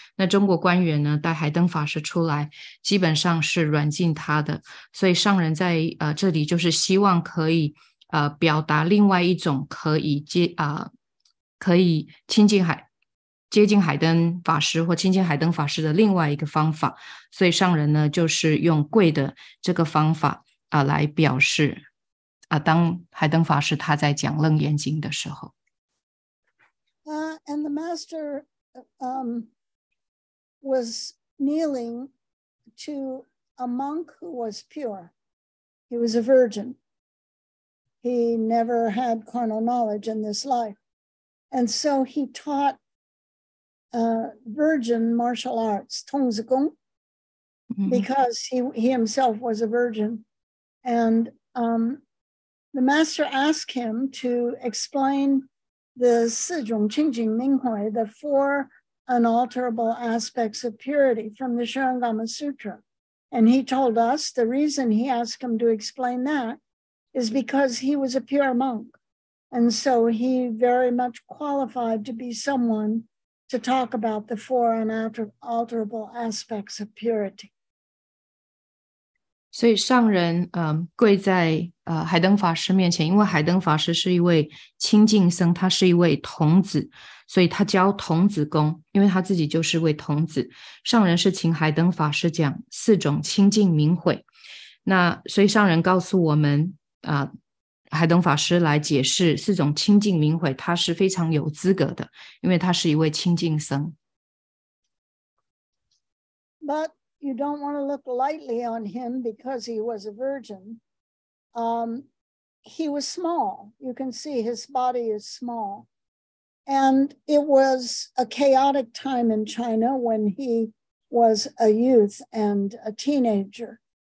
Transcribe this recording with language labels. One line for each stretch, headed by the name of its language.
Chinese: 那中国官员呢带海灯法师出来基本上是软禁他的，所以上人在这里就是希望可以表达另外一种可以可以接近海灯法师或亲近海灯法师的另外一个方法，所以上人呢就是用跪的这个方法来表示当海灯法师他在讲楞严经的时候。
English: And the master was kneeling to a monk who was pure. He was a virgin. He never had carnal knowledge in this life. And so he taught virgin martial arts, tōngzīgōng, because he himself was a virgin. And the master asked him to explain the sīzhōng qīngjīng mīnghuì, the four unalterable aspects of purity from the Shurangama Sutra. And he told us the reason he asked him to explain thatis because he was a pure monk. And so he very much qualified to be someone to talk about the four unalterable aspects of purity.
Chinese: 所以上人跪在海灯法师面前，因为海灯法师是一位清净僧，他是一位童子，所以他教童子功，因为他自己就是位童子。上人是请海灯法师讲四种清净明慧。那所以上人告诉我们海灯法师来解释四种清净明慧，他是非常有资格的，因为他是一位清净僧。
English: But you don't want to look lightly on him because he was a virgin. He was small. You can see his body is small. And it was a chaotic time in China when he was a youth and a teenager.